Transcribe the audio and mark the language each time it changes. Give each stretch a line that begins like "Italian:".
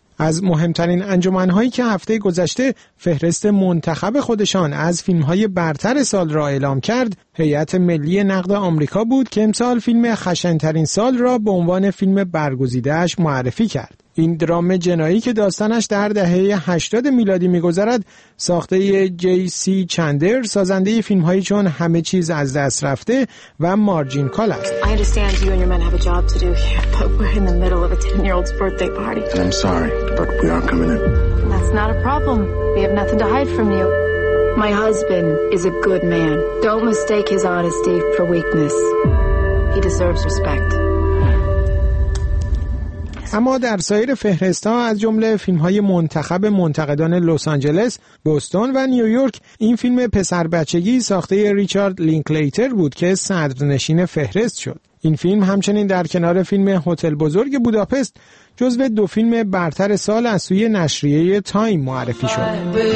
Persian: از مهمترین انجمنهایی که هفته گذشته فهرست منتخب خودشان از فیلمهای برتر سال را اعلام کرد، هیئت ملی نقد آمریکا بود که امسال فیلم خشنترین سال را به عنوان فیلم برگزیده‌اش معرفی کرد. این درام جنایی که داستانش در دهه 80 میلادی می‌گذرد، ساخته جی سی چندر، سازنده فیلم‌هایی چون همه چیز از دست رفته و مارجین کال است.
English: I understand you and your men have a job to do here, but we're in the middle of a 10-year-old's birthday party. And I'm sorry, but we aren't coming in. That's not a problem. We have nothing to hide from you. My husband is a good man. Don't mistake his honesty for weakness. He deserves respect.
Persian: اما در سایر فهرست ها از جمله فیلم های منتخب منتقدان لس آنجلس، بوستون و نیویورک، این فیلم پسر بچگی ساخته ریچارد لینکلیتر بود که صدرنشین فهرست شد. این فیلم همچنین در کنار فیلم هتل بزرگ بوداپست جزو دو فیلم برتر سال از سوی نشریه تایم معرفی شد.